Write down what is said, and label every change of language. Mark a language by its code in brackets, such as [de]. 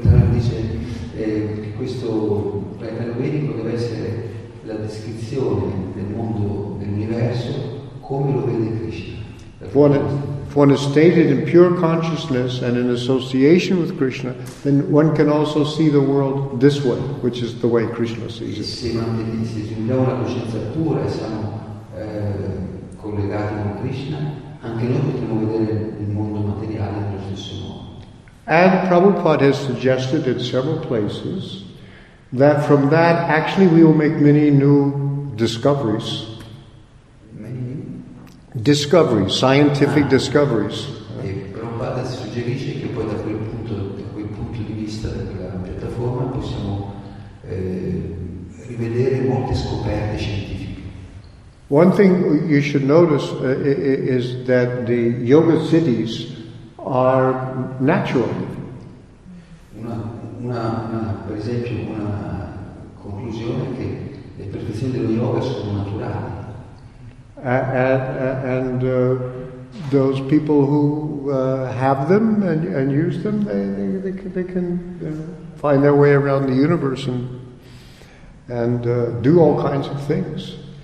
[it] Dice che questo planetario vedico deve essere la descrizione del mondo, dell'universo, come lo vede Krishna. [en] If one is stated in pure consciousness and in association with Krishna, then one can also see the world this way, which is the way Krishna sees it. [it] Se giungiamo alla coscienza pura e siamo collegati con Krishna, anche noi potremo vedere il mondo materiale nello stesso modo. [en] And Prabhupada has suggested in several places that from that actually we will make many new discoveries. Many new? Discoveries, scientific discoveries. [it] E Prabhupada suggerisce che poi da quel punto di vista della piattaforma possiamo rivedere molte scoperte scientifiche. [en] One thing you should notice is that the yoga cities are natural. [it] Una per esempio una conclusione che le perfezioni dello yoga sono naturali. [en] Those people who have them and use them, they can find their way around the universe and do all kinds of things.